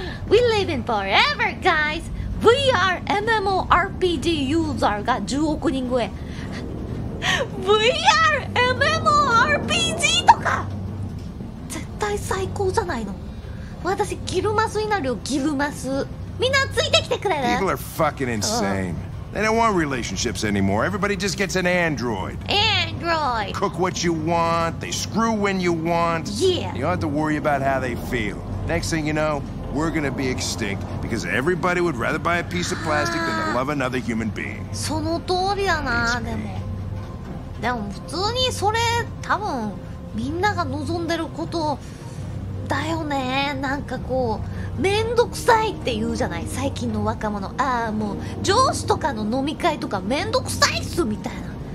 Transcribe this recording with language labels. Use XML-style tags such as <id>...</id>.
<en>We live in forever, guys! VR MMORPG</en> <ja>ユーザーが10億人超え。 VR MMORPG とか絶対最高じゃないの。私ギルマスになるよ、ギルマス。みんなついてきてくれる？</ja> <en>People are fucking insane. They don't want relationships anymore. Everybody just gets an Android. Android. Cook what you want. They screw when you want. Yeah. You don't have to worry about how they feel. Next thing you know, we're gonna be extinct because everybody would rather buy a piece of plastic than to love another human being.</en> <ja>その通りだな。でも普通にそれ多分みんなが望んでることだよね。なんかこうめんどくさいって言うじゃない、最近の若者。ああ、もう上司とかの飲み会とかめんどくさいっすみたいな。</ja>